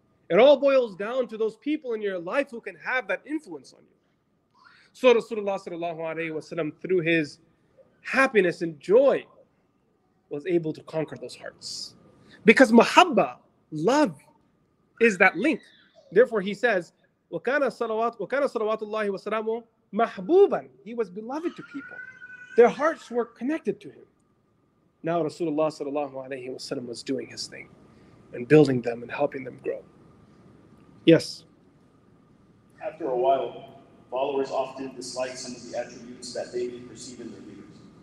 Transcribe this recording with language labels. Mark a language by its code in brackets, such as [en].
[en] It all boils down to those people in your life who can have that influence on you. So Rasulullah [ar] sallallahu alayhi wa sallam, [en] through his happiness and joy, was able to conquer those hearts. Because muhabba, love, is that link. Therefore, he says, [ar] وَكَانَ صَلَوَاتُ اللَّهِ وَسَلَامُ مَحْبُوبًا. [en] He was beloved to people. Their hearts were connected to him. Now Rasulullah [ar] sallallahu alayhi wa sallam [en] was doing his thing and building them and helping them grow. Yes. After a while, followers often dislike some of the attributes that they may perceive in their leaders.